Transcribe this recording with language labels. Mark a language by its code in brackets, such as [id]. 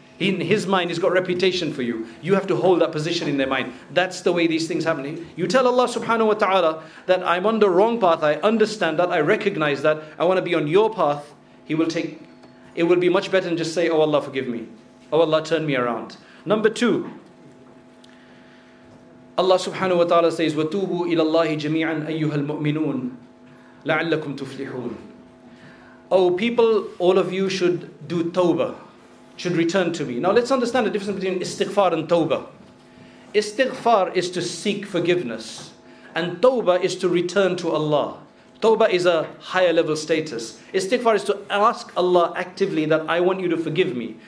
[en] In his mind, he's got reputation for you. You have to hold that position in their mind. That's the way these things happen. You tell Allah subhanahu wa ta'ala that I'm on the wrong path. I understand that. I recognize that. I want to be on your path. It will be much better than just say, oh Allah, forgive me. Oh Allah, turn me around. Number two. [ar] Allah subhanahu wa ta'ala says, وَتُوبُوا إِلَى اللَّهِ جَمِيعًا أَيُّهَا الْمُؤْمِنُونَ لَعَلَّكُمْ تُفْلِحُونَ. [en] Oh people, all of you should do tawbah. Should return to me. Now let's understand the difference between istighfar and tawbah. Istighfar is to seek forgiveness. And tawbah is to return to Allah. Tawbah is a higher level status. Istighfar is to ask Allah actively that I want you to forgive me.